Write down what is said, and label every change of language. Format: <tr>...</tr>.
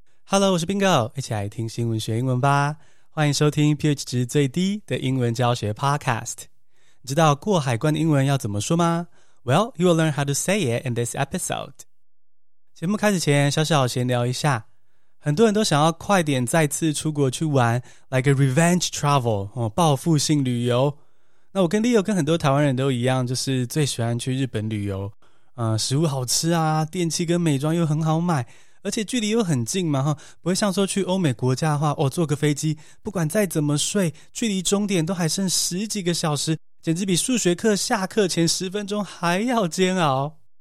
<zh>Hello， 我是 Bingo， 一起来听新闻学英文吧。欢迎收听 pH 值最低的英文教学 Podcast。你知道过海关的英文要怎么说吗？</zh> <en>Well, you will learn how to say it in this episode。</en> <zh>节目开始前，小小闲聊一下，很多人都想要快点再次出国去玩，</zh> <en>like a revenge travel、</en> <zh>报复性旅游。那我跟 Leo 跟很多台湾人都一样，就是最喜欢去日本旅游、食物好吃啊，电器跟美妆又很好买，而且距离又很近嘛，不会像说去欧美国家的话、坐个飞机不管再怎么睡，距离终点都还剩十几个小时，简直比数学课下课前十分钟还要煎熬。</zh>